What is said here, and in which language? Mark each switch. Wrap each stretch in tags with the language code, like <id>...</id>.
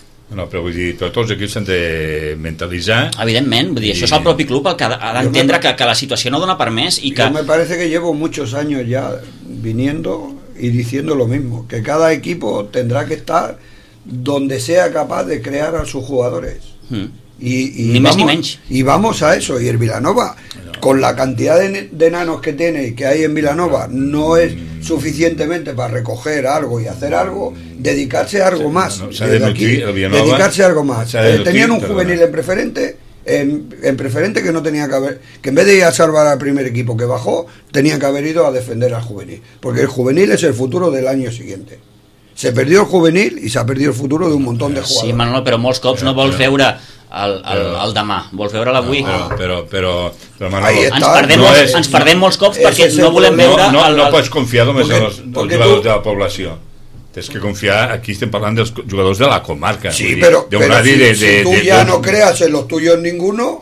<ca>No, però vull dir, tots els equips s'han de mentalitzar. Evidentment, vull dir, això és el propi club el que ha d'entendre que la situació no dona per més. Jo</ca> <es>me parece que llevo muchos años ya viniendo y diciendo lo mismo, que cada equipo tendrá que estar donde sea capaz de crear a sus jugadores. Ni más ni menos. Y vamos a eso, y el Vilanova, con la cantidad de enanos que tiene y que hay en Vilanova, no es suficientemente para recoger algo y hacer algo, dedicarse a algo más. Dedicarse a algo más. Tenían un juvenil en preferente, en preferente, que no tenía que haber, que en vez de ir a salvar al primer equipo que bajó, tenía que haber ido a defender al juvenil, porque el juvenil es el futuro del año siguiente. Se perdió el juvenil y se ha perdido el futuro de un montón de jugadores.</es> <ca>Sí, Manolo, pero molts cops no vols veure el demà, vols veure l'avui. Però Manolo, ens perdem molts cops perquè no volem veure no pots confiar només en els jugadors de la població. Tens que confiar, aquí estem parlant dels jugadors de la comarca. Sí, però, si tu ja</ca> <es>no creas en los tuyos ninguno...</es>